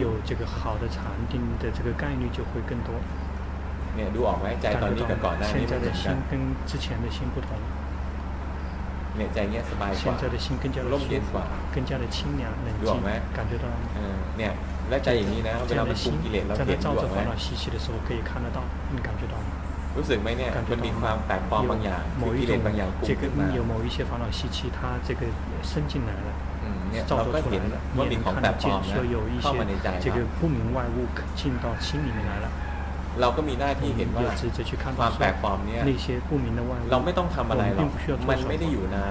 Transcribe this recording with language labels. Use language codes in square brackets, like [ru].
[zh] 有这个好的禅定的这个概率就会更多 [th] เนี่ยดูออกไหมใจตอนนี้กับก่อนหน้านี้มันเหมือนกัน [zh] 现在的心跟之前的心不同 [th] เนี่ยใจเงี้ยสบายกว่า [zh] 现在的心更加的 [th] ร่มเย็นกว่า [zh] 更加的清凉冷静 [th] ดูออกไหม [zh] 感觉到 [th] เนี่ยและใจอย่างนี้นะเวลาไปปรุงกิเลสเราเห็นดูออกไหม [zh] 在照着烦恼习气的时候可以看得到你感觉到 [th] รู้สึกไหมเนี่ยมันมีความแตกปลอมบางอย่างมีกิเลสบางอย่างปรุงขึ้นมา [zh] 有某一些烦恼习气它这个伸进来了 [th] เราก็เห็นว่ามีของแตกปลอมเข้ามาในใจแล้ว [zh] 这个不明外物进到心里面来了 [th] เราก็มีหน้าที่เห็นว่าความแปลกปลอมเนี่ ยเราไม่ต้องทำอะไรหรอกมันไม่ได้อยู่นาน